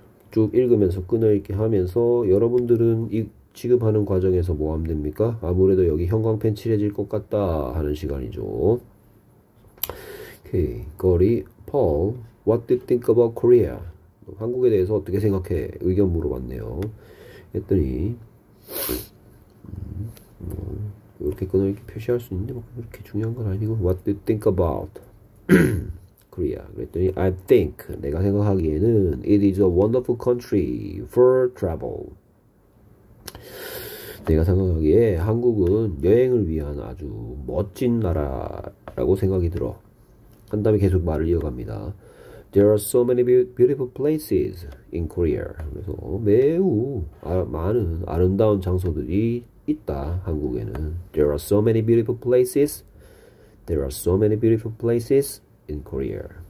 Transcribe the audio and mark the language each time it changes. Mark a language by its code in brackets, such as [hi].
[ko] 쭉 읽으면서 끊어읽기 하면서 여러분들은 이 취급하는 과정에서 뭐 하면 됩니까? 아무래도 여기 형광펜 칠해질 것 같다 하는 시간이죠. [en] Okay, 거리 Paul, what do you think about Korea? [ko] 한국에 대해서 어떻게 생각해? 의견 물어봤네요. 했더니 이렇게 끊어읽기 표시할 수 있는데 막 그렇게 중요한 건 아니고 [en] What do you think about Korea? [ko] 그랬더니 [en] I think [ko] 내가 생각하기에는 [en] It is a wonderful country for travel. [ko] 내가 생각하기에 한국은 여행을 위한 아주 멋진 나라라고 생각이 들어. 한 다음에 계속 말을 이어갑니다. [en] There are so many beautiful places in Korea. [ko] 그래서 매우 많은 아름다운 장소들이 있다, 한국에는. [en] There are so many beautiful places. There are so many beautiful places in Korea.